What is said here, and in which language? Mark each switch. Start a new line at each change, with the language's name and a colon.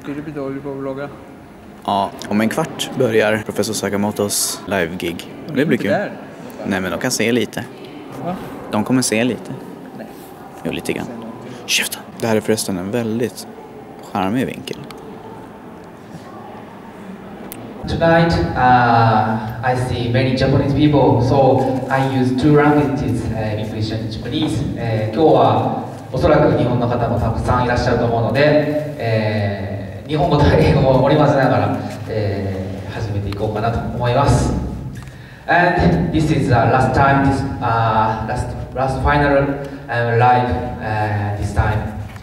Swedish: Skulle du bli dålig på att vlogga? Ja, om en kvart börjar professor Sakamotos live-gig. Men det blir kul. Där. Nej, men de kan se lite. Va? De kommer se lite. Nej. Jo, lite grann. Köta! Det här är förresten en väldigt charmig vinkel.
English: Tonight, I see many Japanese people, so I use 2 languages, English and Japanese.
Japanese: 今日はおそらく日本の方もたくさんいらっしゃると思うので、日本語と英語を織り交ぜながら、始めていこうかなと思います。
English: And this is the last time, this, last final live this time.